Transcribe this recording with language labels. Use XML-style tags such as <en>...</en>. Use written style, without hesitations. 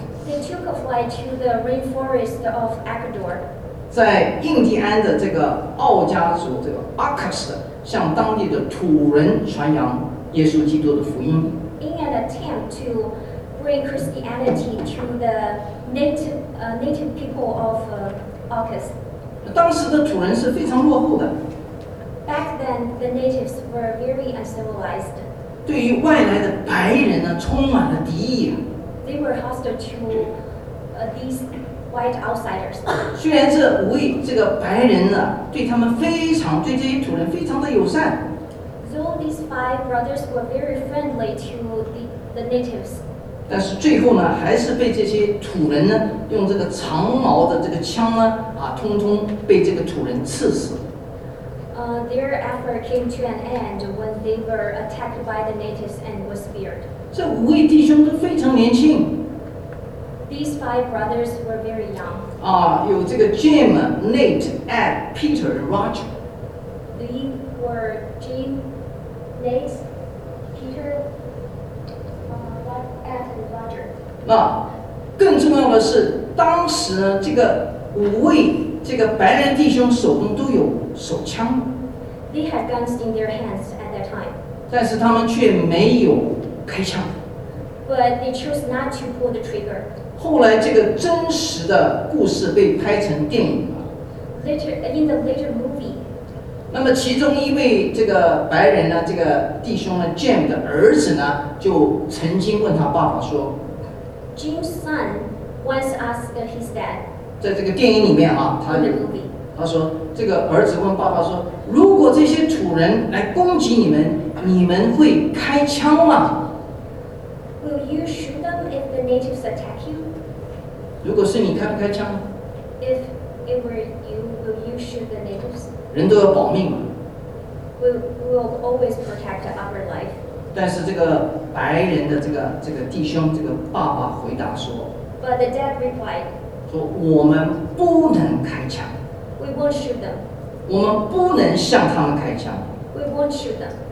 <en>They took a flight to the rainforest of Ecuador.</en> <zh>在印第安的这个奥加索这个阿克斯，向当地的土人传扬耶稣基督的福音。</zh> <en>In an attempt to bring Christianity to the native people of August.</en> <zh>当时的土人是非常落后的。</zh> <en>Back then, the natives were very uncivilized.</en> <zh>对于外来的白人呢，充满了敌意。</zh> <en>They were hostile to these white outsiders.</en> <zh>虽然这无疑这个白人呢，对他们非常，对这些土人非常的友善。</zh> <en>Though these five brothers were very friendly to the natives.</en> <zh>但是最后呢，还是被这些土人呢，用这个长矛的这个枪呢，啊，通通被这个土人刺死。</zh> <en>Their effort came to an end when they were attacked by the natives and were speared.</en> <zh>这五位弟兄都非常年轻。</zh> <en>These five brothers were very young.</en> <zh>啊，有这个 Jim, Nate, Ed, Peter, and Roger.</zh> <en>They were Jim, Nate, Peter, Ed, and Roger.</en> <zh>那更重要的是，当时呢，这个五位这个白人弟兄手中都有手枪。</zh> <en>They had guns in their hands at that time.</en> <zh>但是他们却没有开枪。</zh> <en>But they chose not to pull the trigger.</en> <zh>后来这个真实的故事被拍成电影了。</zh> <en>In the later movie.</en> <zh>那么其中一位这个白人呢，这个弟兄呢 ，Jim 的儿子呢，就曾经问他爸爸说</zh> <en>，Jim's son once asked his dad.</en> <zh>在这个电影里面啊，他。他说：“这个儿子问爸爸说，如果这些土人来攻击你们，你们会开枪吗</zh> <en>？”Will you shoot them if the natives attack you？</en> <zh>如果是你，开不开枪</zh> <en>？If it were you, will you shoot the natives？</en> <zh>人都要保命嘛。</zh> <en>We'll always protect our life。</en> <zh>但是这个白人的这个弟兄这个爸爸回答说</zh> <en>：“But the dad replied，</en> <zh>说我们不能开枪。”</zh> <en>We won't shoot them.</en> <zh>我们不能向他们开枪。</zh> <en>We won't shoot them.</en>